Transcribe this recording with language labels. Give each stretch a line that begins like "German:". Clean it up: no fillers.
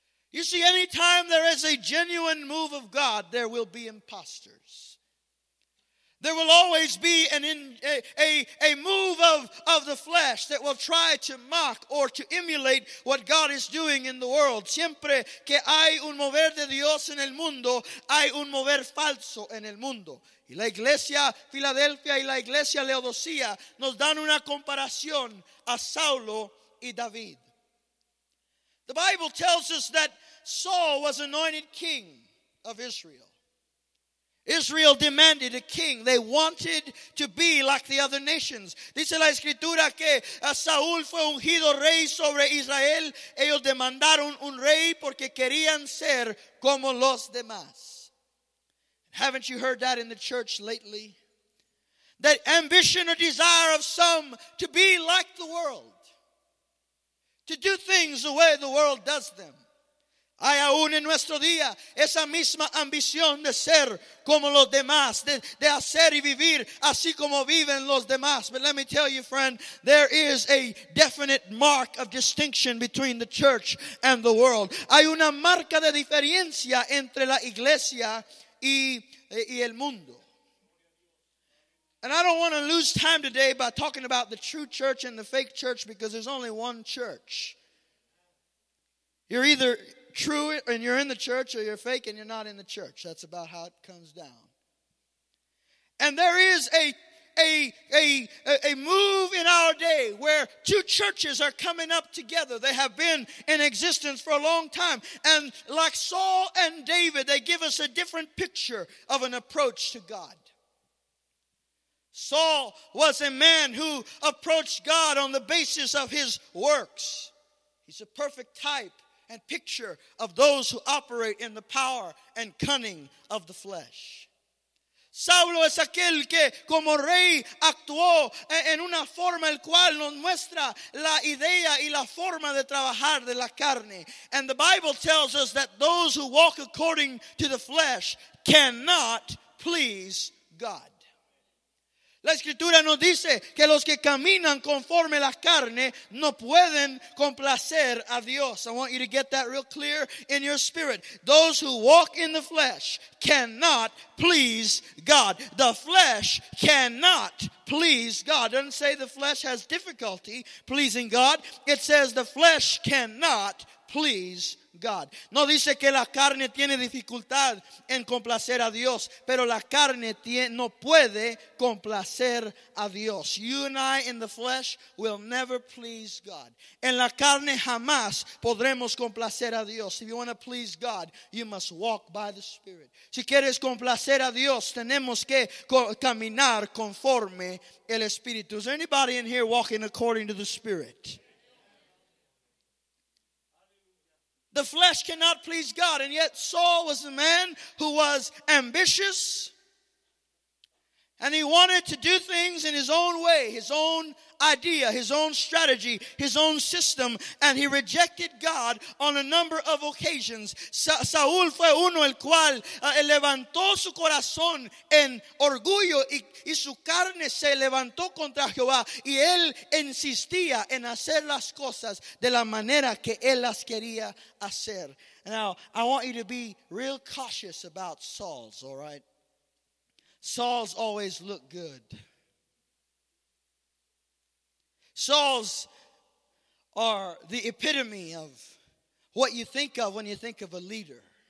English: You see, any time there is a genuine move of God, there will be imposters. There will always be a move of the flesh that will try to mock or to emulate what God is doing in the world.
Spanish: Siempre que hay un mover de Dios en el mundo, hay un mover falso en el mundo. Y la iglesia Filadelfia y la iglesia Laodicea nos dan una comparación a Saulo y David.
English: The Bible tells us that Saul was anointed king of Israel. Israel demanded a king. They wanted to be like the other nations.
Spanish: Dice la escritura que Saúl fue ungido rey sobre Israel. Ellos demandaron un rey porque querían ser como los demás.
English: Haven't you heard that in the church lately? That ambition or desire of some to be like the world. To do things the way the world does them.
Spanish: Hay aún en nuestro día esa misma ambición de ser como los demás, de hacer y vivir así como viven los demás.
English: But let me tell you, friend, there is a definite mark of distinction between the church and the world.
Spanish: Hay una marca de diferencia entre la iglesia y el mundo.
English: And I don't want to lose time today by talking about the true church and the fake church, because there's only one church. You're either true and you're in the church, or you're fake and you're not in the church. That's about how it comes down. And there is a move in our day where two churches are coming up together. They have been in existence for a long time. And like Saul and David, they give us a different picture of an approach to God. Saul was a man who approached God on the basis of his works. He's a perfect type and picture of those who operate in the power and cunning of the flesh.
Spanish: Saulo es aquel que como rey actuó en una forma el cual nos muestra la idea y la forma de trabajar de la carne.
English: And the Bible tells us that those who walk according to the flesh cannot please God.
Spanish: La escritura nos dice que los que caminan conforme la carne no pueden complacer a Dios.
English: I want you to get that real clear in your spirit. Those who walk in the flesh cannot please God. The flesh cannot please God. It doesn't say the flesh has difficulty pleasing God. It says the flesh cannot please God.
Spanish: No dice que la carne tiene dificultad en complacer a Dios, pero la carne no puede complacer a Dios.
English: You and I in the flesh will never please God.
Spanish: En la carne jamás podremos complacer a Dios.
English: If you want to please God, you must walk by the Spirit.
Spanish: Si quieres complacer a Dios, tenemos que caminar conforme el Espíritu.
English: Is there anybody in here walking according to the Spirit? The flesh cannot please God. And yet Saul was a man who was ambitious. And he wanted to do things in his own way, his own idea, his own strategy, his own system. And he rejected God on a number of occasions.
Spanish: Saúl fue uno el cual levantó su corazón en orgullo y su carne se levantó contra Jehová. Y él insistía en hacer las cosas de la manera que él las quería hacer.
English: Now, I want you to be real cautious about Saul's, all right? Saul's always look good. Saul's are the epitome of what you think of when you think of a leader.